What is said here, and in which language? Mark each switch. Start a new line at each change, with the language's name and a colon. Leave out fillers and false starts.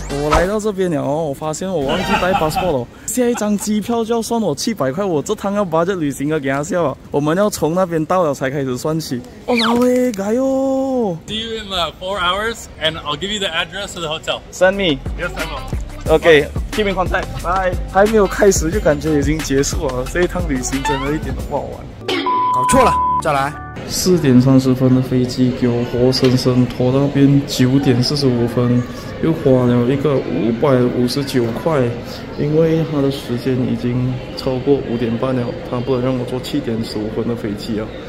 Chinese: 来到这边了哦，我发现我忘记带 passport 了。下一张机票就要算我700块，我这趟要 budget 旅行啊，给他笑啊。我们要从那边到了才开始算起。哦，老嘞，加油！
English: See you in four hours, and I'll give you the address of the hotel. Send me. Yes, I will. OK, keep in contact, bye.
Chinese: 还没有开始就感觉已经结束了，这一趟旅行真的一点都不好玩。搞错了，再来。 4:30的飞机给我活生生拖到那边9:45，又花了一个559块，因为他的时间已经超过5:30了，他不能让我坐7:15的飞机啊。